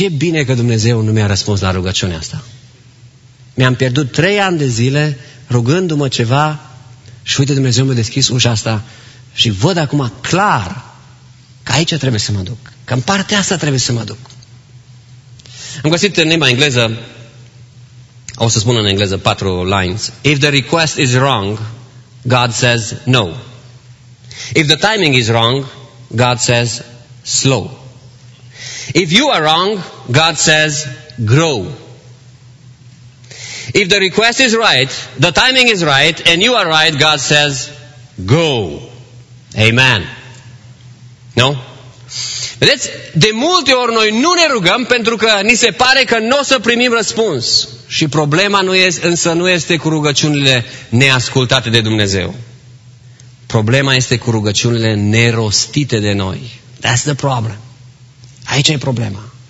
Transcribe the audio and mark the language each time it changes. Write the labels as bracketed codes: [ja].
[ro] ce bine că Dumnezeu nu mi-a răspuns la rugăciunea asta. Mi-am pierdut 3 ani de zile rugându-mă ceva și uite, Dumnezeu mi-a deschis ușa asta și văd acum clar că aici trebuie să mă duc, că în partea asta trebuie să mă duc. Am găsit în limba engleză, o să spun în engleză 4 lines. [en] If the request is wrong, God says no. If the timing is wrong, God says slow. If you are wrong, God says grow. If the request is right, the timing is right, and you are right, God says go. Amen. No? [ro] Vedeți, de multe ori noi nu ne rugăm pentru că ni se pare că nu o să primim răspuns. Și problema nu este cu rugăciunile neascultate de Dumnezeu. Problema este cu rugăciunile nerostite de noi. [en] That's the problem. [ro] Aici e problema.